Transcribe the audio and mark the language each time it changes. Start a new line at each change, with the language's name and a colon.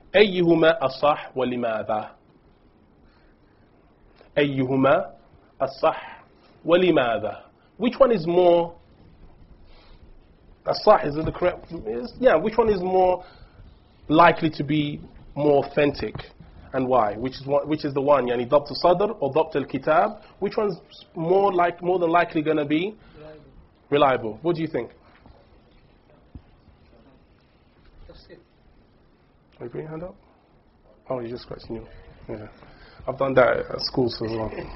Arabic: أيهما أصح ولماذا؟ أيهما أصح ولماذا؟
English: Which one is more
Arabic: أصح?
English: Is it the correct? Which one is more likely to be more authentic, and why? Which is the one?
Arabic: يعني ضبط الصدر or ضبط الكتاب?
English: Which one's more than likely going to be reliable? What do you think? Are you putting your hand up? Oh, you're just scratching your... Yeah. I've done that at school as well.